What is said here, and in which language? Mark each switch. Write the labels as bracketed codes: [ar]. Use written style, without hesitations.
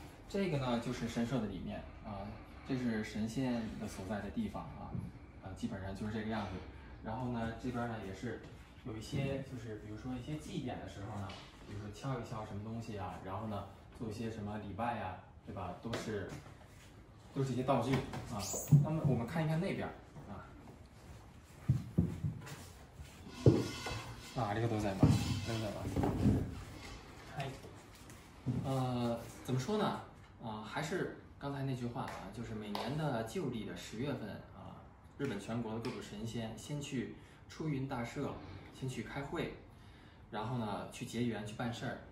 [zh] 这个呢，就是神社的里面啊，这是神仙的所在的地方啊，基本上就是这个样子。然后呢，这边呢也是有一些就是比如说一些祭典的时候呢，比如说敲一敲什么东西啊，然后呢做一些什么礼拜啊，对吧，都是一些道具啊。那么我们看一看那边啊。 [ja] ありがとうございます。ありがとうございます。 [zh] 嗨，怎么说呢，还是刚才那句话啊，就是每年的旧历的十月份啊，日本全国的各种神仙先去出云大社，先去开会，然后呢去结缘去办事儿。